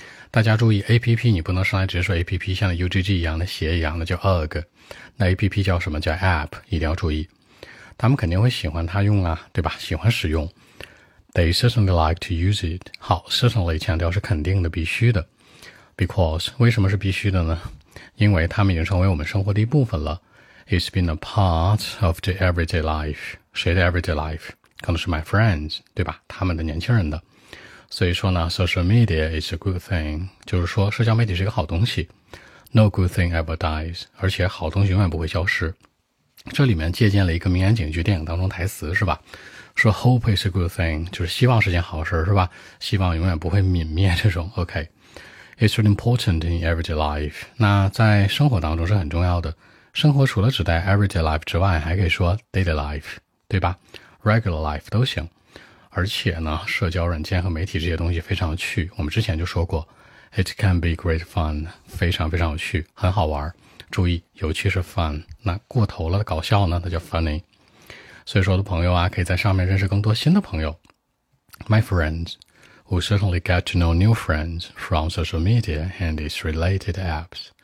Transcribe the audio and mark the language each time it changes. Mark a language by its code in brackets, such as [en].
[zh] 大家注意 APP, 你不能上来直接说 APP, 像 UGG 一样的鞋一样的叫 UGG, 那 APP 叫什么叫 APP, 一定要注意。他们肯定会喜欢它用啊，对吧，喜欢使用。 [en] They certainly like to use it. [zh] 好， [en] certainly [zh] 强调是肯定的，必须的。 [en] Because, [zh] 为什么是必须的呢？因为他们已经成为我们生活的一部分了。 [en] It's been a part of the everyday life. [zh] 谁的 everyday life? 可能是 [en] my friends, [zh] 对吧，他们的年轻人的。所以说呢 , [en] social media is a good thing, [zh] 就是说社交媒体是一个好东西。 [en] No good thing ever dies, [zh] 而且好东西永远不会消失。这里面借鉴了一个名言警句电影当中台词，是吧，说 [en] hope is a good thing, [zh] 就是希望是件好事，是吧，希望永远不会泯灭这种 ,OK。 [en] It's really important in everyday life, [zh] 那在生活当中是很重要的。生活除了指代 everyday life 之外，还可以说 daily life, 对吧 ,regular life 都行。而且呢，社交软件和媒体这些东西非常有趣，我们之前就说过 [en] It can be great fun, [zh] 非常非常有趣，很好玩。注意，尤其是 fun, 那过头了搞笑呢，那叫 funny。所以说的朋友啊，可以在上面认识更多新的朋友。 [en] My friends will certainly get to know new friends from social media and its related apps.